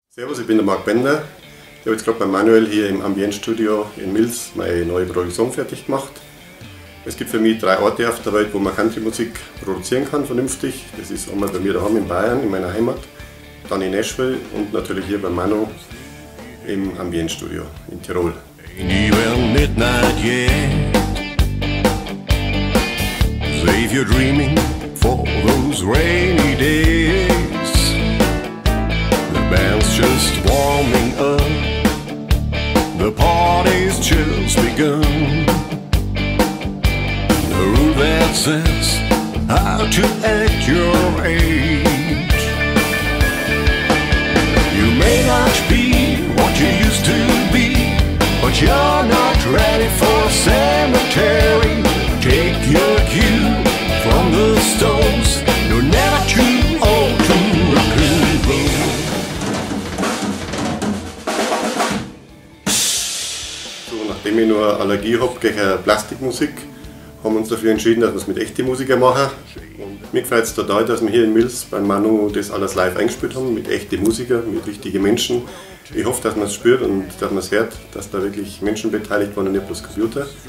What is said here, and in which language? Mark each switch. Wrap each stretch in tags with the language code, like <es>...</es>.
<de>Servus, ich bin der Marc Bender. Ich habe jetzt gerade bei Manuel hier im Ambient-Studio in Mils meine neue Produktion fertig gemacht. Es gibt für mich drei Orte auf der Welt, wo man Country-Musik produzieren kann, vernünftig. Das ist einmal bei mir daheim in Bayern, in meiner Heimat, dann in Nashville und natürlich hier bei Manu im Ambient-Studio in Tirol.</de> <en>Save your dreaming for those rainy days. The band's just warming up. The party's just begun. The rule that says how to act your age. You may not be what you used to be, but you're not ready for a cemetery. Take your cue from the Stones. You're never too old to recover.</en> <de>So, nachdem ich nur Allergie habe gegen Plastikmusik, haben wir uns dafür entschieden, dass wir es mit echten Musikern machen. Und mir gefällt es total, dass wir hier in Mils beim Manu das alles live eingespielt haben, mit echten Musikern, mit richtigen Menschen. Ich hoffe, dass man es spürt und dass man es hört, dass da wirklich Menschen beteiligt waren und nicht bloß Computer.</de>